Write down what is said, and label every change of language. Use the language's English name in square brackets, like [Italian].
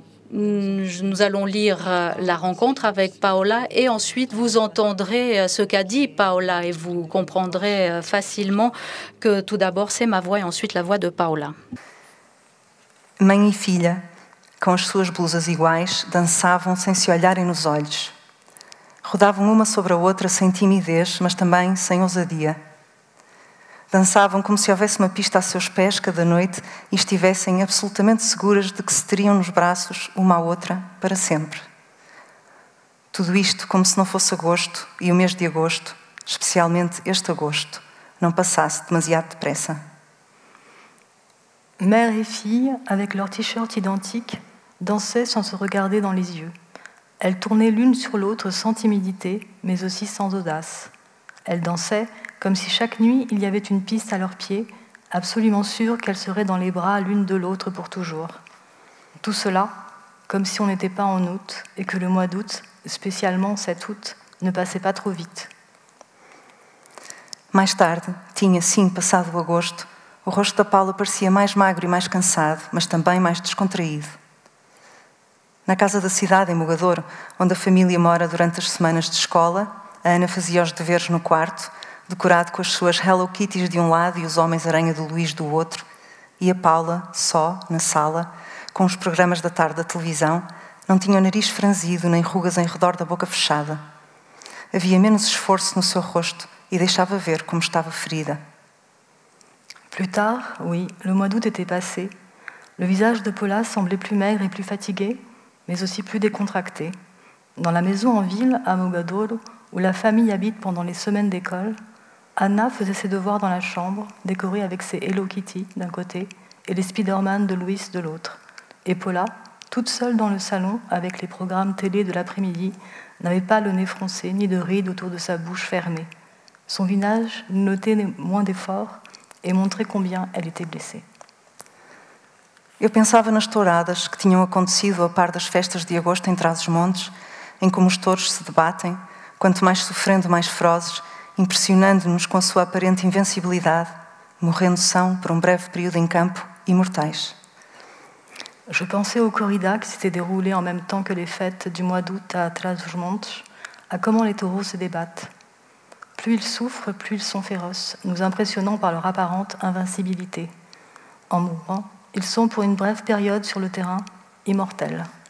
[French] Nous allons lire la rencontre avec Paola et ensuite vous entendrez ce qu'a dit Paola et vous comprendrez facilement que tout d'abord c'est ma voix et ensuite la voix de Paola. [Portuguese] Mãe e filha, com as suas blusas iguais, dançavam sem se olharem nos olhos. Rodavam uma sobre a outra sem timidez, mas também sem ousadia. Dançavam como se houvesse uma pista a seus pés cada noite e estivessem absolutamente seguras de que se teriam nos braços uma à outra para sempre. Tudo isto como se não fosse agosto e o mês de agosto, especialmente este agosto, não passasse demasiado depressa. [French] Mère et fille, avec leurs t-shirts identiques, dansaient sans se regarder dans les yeux. Elles tournaient l'une sur l'autre sans timidité, mais aussi sans audace. Elles dansaient comme si chaque nuit il y avait une piste à leurs pieds, absolument sûre qu'elles seraient dans les bras l'une de l'autre pour toujours. Tout cela, comme si on n'était pas en août et que le mois d'août, spécialement cet août, ne passait pas trop vite. [Portuguese] Mais tard, tinha sim passado o agosto, o rosto da Paula parecia mais magro e mais cansado, mas também mais descontraído. Na casa da cidade, em Mogador, onde a família mora durante as semanas de escola, a Ana fazia os deveres no quarto, decorado com as suas Hello Kitties de um lado e os Homens-Aranha do Luís do outro, e a Paula, só, na sala, com os programas da tarde da televisão, não tinha o nariz franzido nem rugas em redor da boca fechada. Havia menos esforço no seu rosto e deixava ver como estava ferida. [French] Plus tard, oui, le mois d'août était passé. Le visage de Paula semblait plus maigre et plus fatigué, mais aussi plus décontracté. Dans la maison en ville, à Mogadouro, où la famille habite pendant les semaines d'école, Anna faisait ses devoirs dans la chambre, décorée avec ses Hello Kitty d'un côté et les Spider-Man de Louis de l'autre. Et Paula, toute seule dans le salon, avec les programmes télé de l'après-midi, n'avait pas le nez froncé ni de rides autour de sa bouche fermée. Son visage notait moins d'efforts et montrait combien elle était blessée. [Portuguese] Eu pensava nas touradas que tinham acontecido a par das festas de agosto em Trás-os-Montes, em como os touros se debatem, quanto mais sofrendo, mais ferozes, impressionando-nos com a sua aparente invencibilidade, morrendo são por breve período em campo, imortais. [French] Je pensais aux corridas qui s'étaient déroulées en même temps que les fêtes du mois d'août à Trás-os-Montes, à comment les taureaux se débattent. Plus ils souffrent, plus ils sont féroces, nous impressionnant par leur apparente invincibilité. En mourant, ils sont pour une brève période sur le terrain immortels.